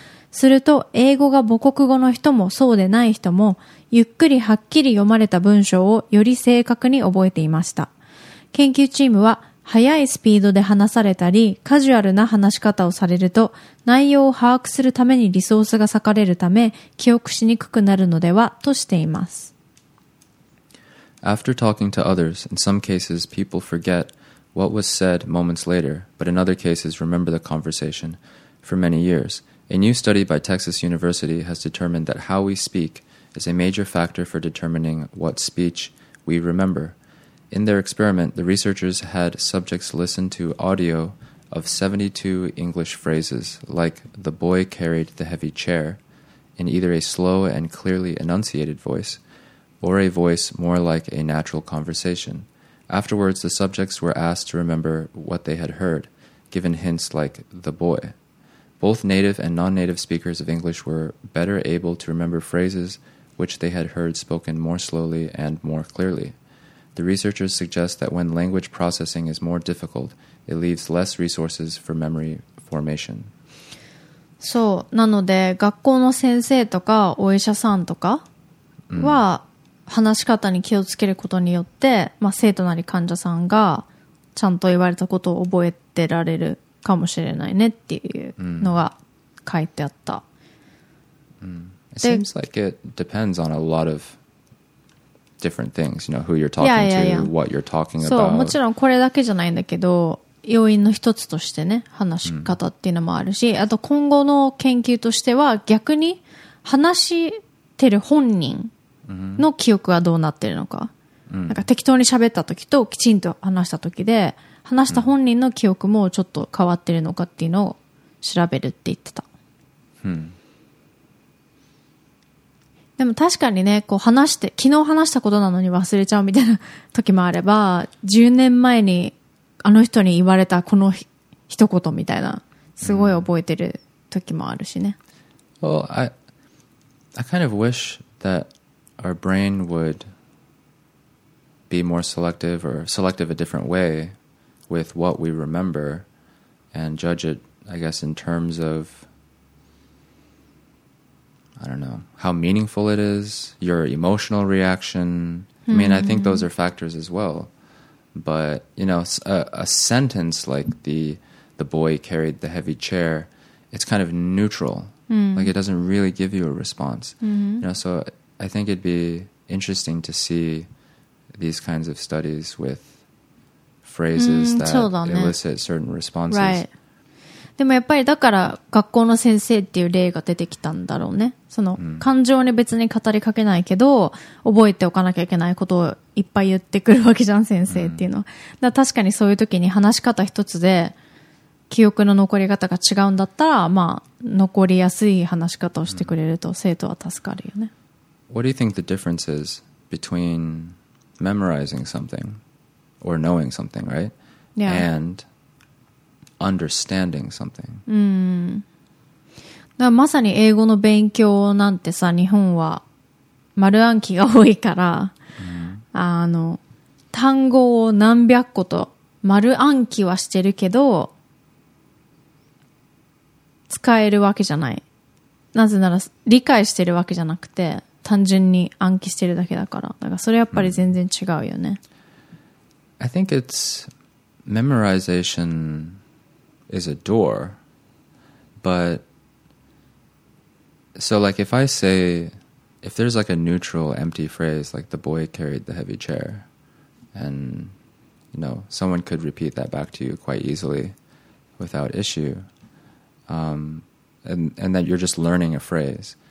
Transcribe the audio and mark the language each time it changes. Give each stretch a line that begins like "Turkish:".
Japanese: すると英語が母国語の人もそうでない人もゆっくりはっきり読まれた文章をより正確に覚えていました。研究チームは速いスピードで話されたりカジュアルな話し方をされると内容を把握するためにリソースが割かれるため記憶しにくくなるのではとしています。
English: After talking to others, in some cases people forget what was said moments later, but in other cases remember the conversation for many years. A new study by Texas University has determined that how we speak is a major factor for determining what speech we rememberIn their experiment, the researchers had subjects listen to audio of 72 English phrases, like the boy carried the heavy chair, in either a slow and clearly enunciated voice, or a voice more like a natural conversation. Afterwards, the subjects were asked to remember what they had heard, given hints like the boy. Both native and non-native speakers of English were better able to remember phrases which they had heard spoken more slowly and more clearly. The researchers suggest that when language processing is more difficult, it leaves less resources for memory formation.
Japanese: そう、なので学校の先生とかお医者さんとかは話し方に気をつけることによって、まあ、生徒なり患者さんがちゃんと言われたことを覚えてられるかもしれないねっていうのが書いてあった。
English: It seems like it depends on a lot of... different things, you know, who you're talking to, what you're talking about.
Japanese: そう、もちろんこれだけじゃないんだけど、要因の一つとしてね、話し方っていうのもあるし、あと今後の研究としては逆に話してる本人の記憶はどうなってるのか。なんか適当に喋った時ときちんと話した時で、話した本人の記憶もちょっと変わってるのかっていうのを調べるって言ってた。でも確かにね、こう話して昨日話したことなのに忘れちゃうみたいな時もあれば、10年前にあの人に言われたこの一言みたいなすごい覚えてる時もあるしね。
English: Well, I kind of wish that our brain would be more selective or selective a different way with what we remember and judge it, I guess, in terms ofI don't know how meaningful it is, your emotional reaction. I mean, I think those are factors as well. But, you know, a sentence like the boy carried the heavy chair, it's kind of neutral. Like it doesn't really give you a response. You know, so I think it'd be interesting to see these kinds of studies with phrases that elicit certain responses. Right.
Japanese: でもやっぱりだから学校の先生っていう例が出てきたんだろうね。その感情に別に語りかけないけど、覚えておかなきゃいけないことをいっぱい言ってくるわけじゃん、先生っていうのは。だから確かにそういう時に話し方一つで記憶の残り方が違うんだったら、まあ残りやすい話し方をしてくれると生徒は助かるよね。
English: What do you think the difference is between memorizing something or knowing something, right? Yeah. And understanding something.
Japanese: うん。だからまさに英語の勉強なんてさ、日本は丸暗記が多いから、あの、単語を何百個と丸暗記はしてるけど、使えるわけじゃない。なぜなら理解してるわけじゃなくて、単純に暗記してるだけだから。だからそれやっぱり全然違うよね。
English: I think it's memorization is a door, but so like if I say, if there's like a neutral empty phrase like the boy carried the heavy chair, and you know someone could repeat that back to you quite easily without issue, and that you're just learning a phrase.